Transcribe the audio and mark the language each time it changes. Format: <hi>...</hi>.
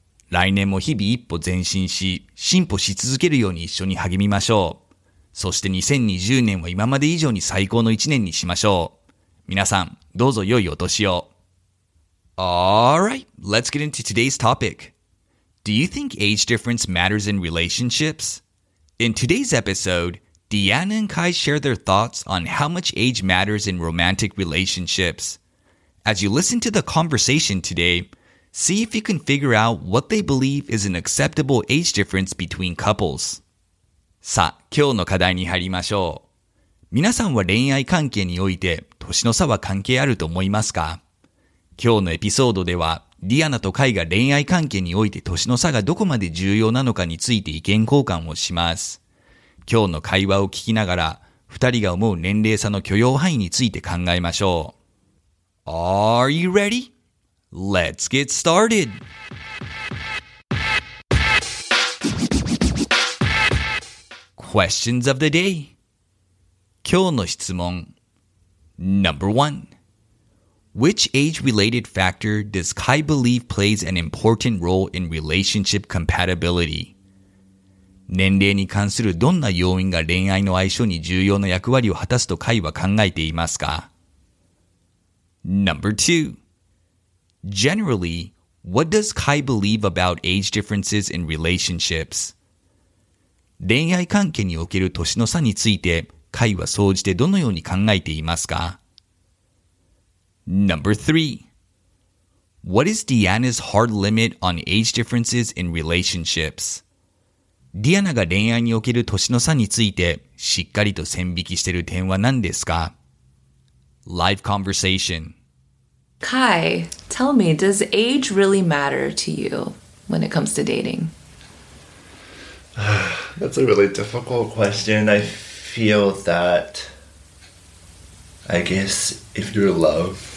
<ja>来年も日々一歩前進し、進歩し続けるように一緒に励みましょう。そして2020年は今まで以上に最高の一年にしましょう。皆さん、どうぞ良いお年を。</ja> <en>Alright, let's get into today's topic. Do you think age difference matters in relationships? In today's episode, Deanna and Kai share their thoughts on how much age matters in romantic relationships. As you listen to the conversation today, see if you can figure out what they believe is an acceptable age difference between couples.</en> <ja>さあ、今日の課題に入りましょう。皆さんは恋愛関係において年の差は関係あると思いますか？今日のエピソードでは、ディアナとカイが恋愛関係において年の差がどこまで重要なのかについて意見交換をします。今日の会話を聞きながら、二人が思う年齢差の許容範囲について考えましょう。</ja> <en>Are you ready? Let's get started! Questions of the day.</en> <ja>今日の質問。</ja> <en>Number one. Which age-related factor does Kai believe plays an important role in relationship compatibility?</en> <ja>年齢に関するどんな要因が恋愛の相性に重要な役割を果たすと Kai は考えていますか?</ja> <en>Number 2. Generally, what does Kai believe about age differences in relationships?</en> <ja>恋愛関係における年の差について Kai は総じてどのように考えていますか?</ja> <en>Number 3. What is Deanna's hard limit on age differences in relationships?</en> <ja>Deanna が恋愛における年の差についてしっかりと線引きしている点は何ですか?</ja> <en>Live conversation. Kai, tell me, does age really matter to you when it comes to dating? That's a really difficult question. I feel that, I guess, if your love...</en>